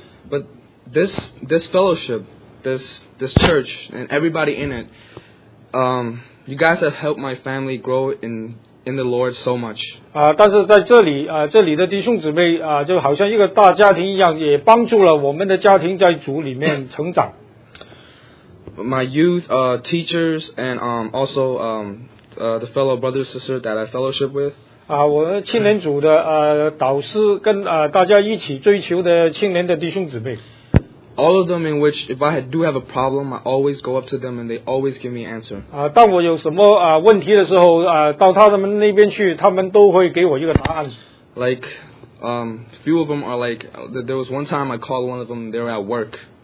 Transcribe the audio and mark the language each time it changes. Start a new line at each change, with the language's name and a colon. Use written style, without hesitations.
English: But this fellowship, this church, and everybody in it, you guys have helped my family grow in the Lord so much.
Chinese: 但是在这里的弟兄姊妹就好像一个大家庭一样，也帮助了我们的家庭在主里面成长。
English: My youth, teachers, and also the fellow brother sister that I fellowship with.
Chinese: 我们青年组的导师跟大家一起追求的青年的弟兄姊妹。
English: All of them in which if I do have a problem, I always go up to them and they always give me an answer.
Chinese: 当我有什么问题的时候，到他们那边去，他们都会给我一个答案。
English: Like, few of them are like, there was one time I called one of them, they were at work.